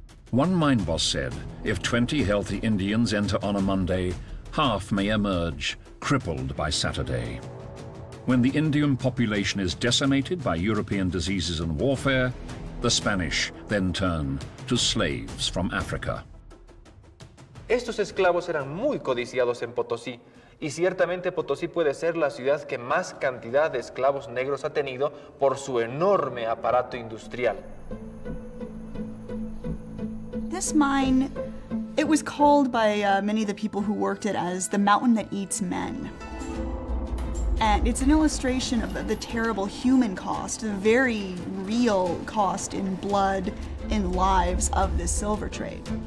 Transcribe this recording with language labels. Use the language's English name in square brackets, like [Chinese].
[English] One mine boss said, if 20 healthy Indians enter on a Monday, half may emerge, crippled by Saturday. When the Indian population is decimated by European diseases and warfare, the Spanish then turn to slaves from Africa. [Spanish] Estos esclavos eran muy codiciados en Potosí, y ciertamente Potosí puede ser la ciudad que más cantidad de esclavos negros ha tenido por su enorme aparato industrial. [English] This mine, it was called by many of the people who worked it as the mountain that eats men. And it's an illustration of the terrible human cost, the very real cost in blood and lives of this silver trade.